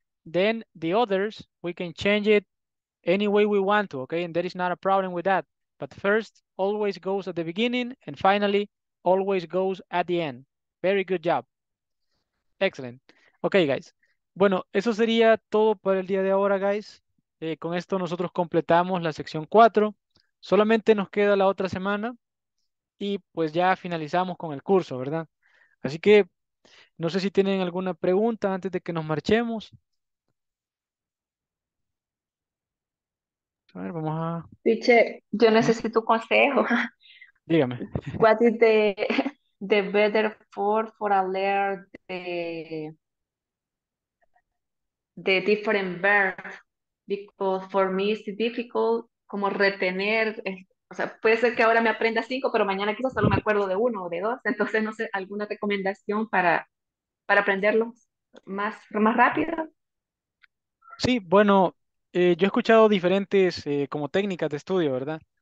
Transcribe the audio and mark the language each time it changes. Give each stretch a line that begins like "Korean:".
English: Then, the others, we can change it any way we want to, okay? And there is not a problem with that. But first always goes at the beginning and finally always goes at the end. Very good job. Excellent. Okay, guys.
Spanish: Bueno, eso sería todo para el día de ahora, guys. Con esto nosotros completamos la sección 4. Solamente nos queda la otra semana y pues ya finalizamos con el curso, ¿verdad? Así que no sé si tienen alguna pregunta antes de que nos marchemos. A ver, vamos a... Piche, yo necesito consejo. Dígame.
English: What is the better form for alert the different verbs? Because for me it's difficult
Spanish: como retener. O sea, puede ser que ahora me aprenda cinco, pero mañana quizás solo me acuerdo de uno o de dos. Entonces, no sé, ¿alguna recomendación para aprenderlos más rápido? Sí, bueno... yo he escuchado diferentes como técnicas de estudio, ¿verdad?